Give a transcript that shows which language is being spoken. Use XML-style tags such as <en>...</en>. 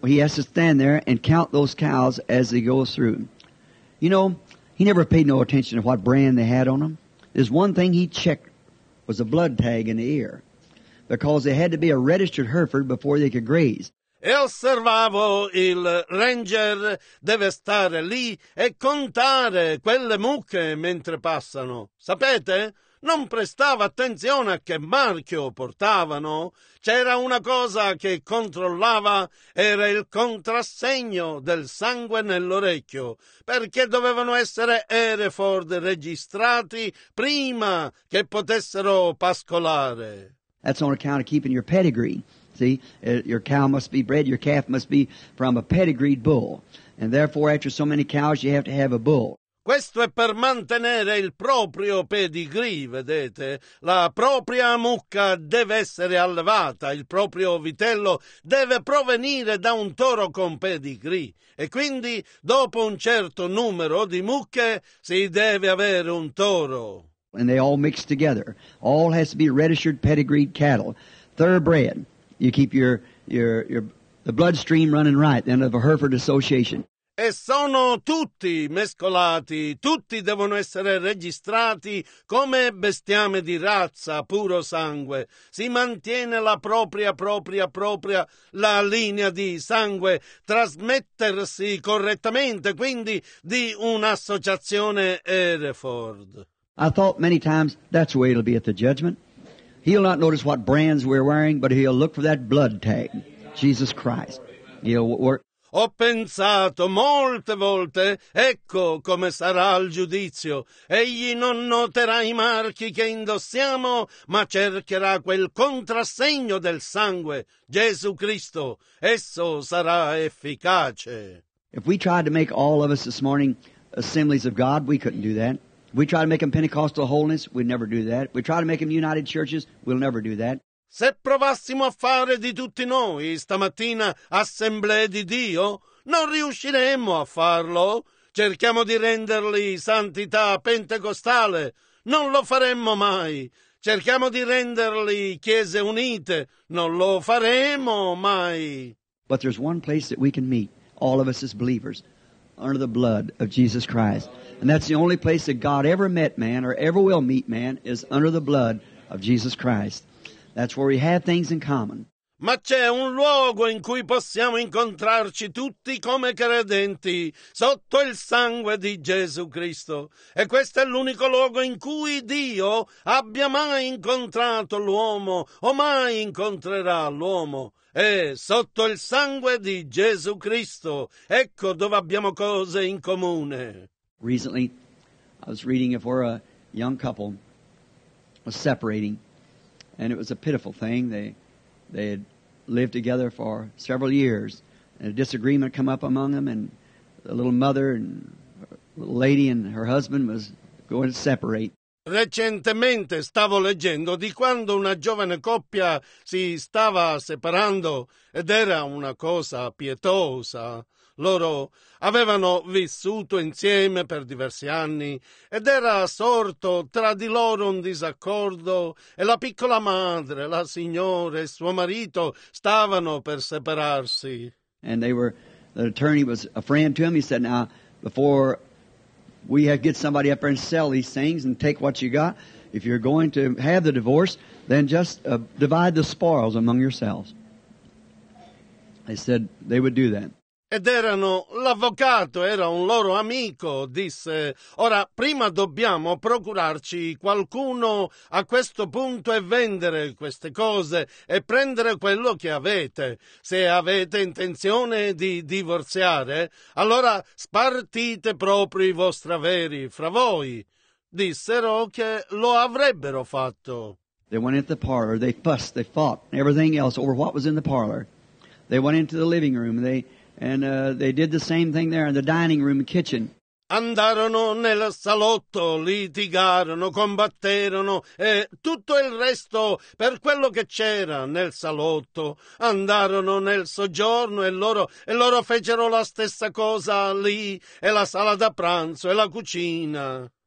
<en>He has to stand there and count those cows as he goes through. You know, he never paid no attention to what brand they had on them. There's one thing he checked was a blood tag in the ear, because they had to be a registered Hereford before they could graze.</en> <it>E osservavo il ranger deve stare lì e contare quelle mucche mentre passano. Sapete? Non prestava attenzione a che marchio portavano. C'era una cosa che controllava, era il contrassegno del sangue nell'orecchio, perché dovevano essere Hereford registrati prima che potessero pascolare.</it> <en>That's on account of keeping your pedigree. See, your cow must be bred, your calf must be from a pedigreed bull. And therefore, after so many cows, you have to have a bull.</en> <it>Questo è per mantenere il proprio pedigree, vedete? La propria mucca deve essere allevata, il proprio vitello deve provenire da un toro con pedigree. E quindi, dopo un certo numero di mucche, si deve avere un toro.</it> <en>And they all mix together. All has to be registered pedigreed cattle. Thoroughbred. You keep the bloodstream running right, then of a Hereford Association.</en> <it>E sono tutti mescolati, tutti devono essere registrati come bestiame di razza, puro sangue. Si mantiene la propria, la linea di sangue, trasmettersi correttamente, quindi di un'associazione Hereford.</it> <en>I thought many times that's the way it'll be at the judgment. He'll not notice what brands we're wearing, but he'll look for that blood tag, Jesus Christ. He'll work.</en> <it>Ho pensato molte volte, ecco come sarà il giudizio. Egli non noterà i marchi che indossiamo, ma cercherà quel contrassegno del sangue, Gesù Cristo. Esso sarà efficace.</it> <en>If we tried to make all of us this morning Assemblies of God, we couldn't do that. We try to make them Pentecostal Holiness, we'd never do that. We try to make them United Churches, we'll never do that.</en> <it>Se provassimo a fare di tutti noi stamattina assemblee di Dio, non riusciremmo a farlo. Cerchiamo di renderli santità pentecostale, non lo faremmo mai. Cerchiamo di renderli chiese unite, non lo faremo mai.</it> <en>But there's one place that we can meet, all of us as believers, under the blood of Jesus Christ. And that's the only place that God ever met man or ever will meet man is under the blood of Jesus Christ. That's where we have things in common.</en> <it>Ma c'è un luogo in cui possiamo incontrarci tutti come credenti, sotto il sangue di Gesù Cristo. E questo è l'unico luogo in cui Dio abbia mai incontrato l'uomo o mai incontrerà l'uomo. È sotto il sangue di Gesù Cristo. Ecco dove abbiamo cose in comune.</it> <en>Recently, I was reading if we're a young couple was separating, and it was a pitiful thing. They had lived together for several years, and a disagreement come up among them, and the little mother and little lady and her husband was going to separate.</en> <it>Recentemente stavo leggendo di quando una giovane coppia si stava separando ed era una cosa pietosa. Loro avevano vissuto insieme per diversi anni ed era sorto tra di loro un disaccordo e la piccola madre, la signora e suo marito stavano per separarsi.</it> <en>And they were, the attorney was a friend to him. He said, now, before we have get somebody up there and sell these things and take what you got, if you're going to have the divorce, then just divide the spoils among yourselves. They said they would do that.</en> <it>Ed erano, l'avvocato era un loro amico, disse, ora prima dobbiamo procurarci qualcuno a questo punto e vendere queste cose e prendere quello che avete. Se avete intenzione di divorziare, allora spartite proprio i vostri averi fra voi. Dissero che lo avrebbero fatto.</it> <en>They went into the parlor, they fussed, they fought, everything else over what was in the parlor. They went into the living room, they did the same thing there in the dining room and kitchen.</en> <it>Andarono nel salotto, litigarono, combatterono e tutto il resto per quello che c'era nel salotto. Andarono nel soggiorno e loro fecero la stessa cosa lì e la sala da pranzo e la cucina.</it>